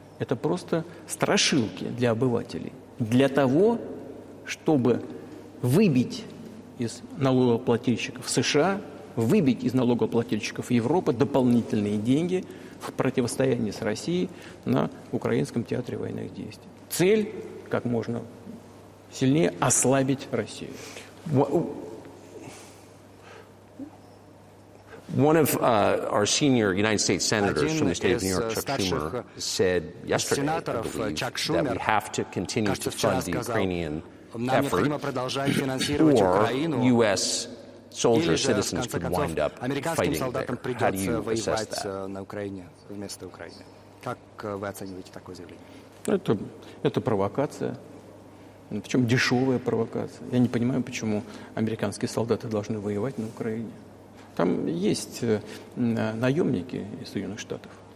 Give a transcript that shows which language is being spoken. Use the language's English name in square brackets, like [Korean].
[Russian] Это просто страшилки для обывателей. Для того, чтобы выбить из налогоплательщиков США, выбить из налогоплательщиков Европы дополнительные деньги в противостоянии с Россией на украинском театре военных действий. Цель как можно сильнее ослабить Россию. [English] One of our senior United States senators from the state of New York, Chuck Schumer, said yesterday, I believe, that we have to continue to fund the Ukrainian effort, or U.S. soldiers, citizens could wind up fighting there. How do you assess that? [Russian] На Украине вместо Украины. Как вы оцениваете такое заявление? Это провокация. Причем дешевая провокация. Я не понимаю, почему американские солдаты должны воевать на Украине. Там есть наемники из Соединенных Штатов.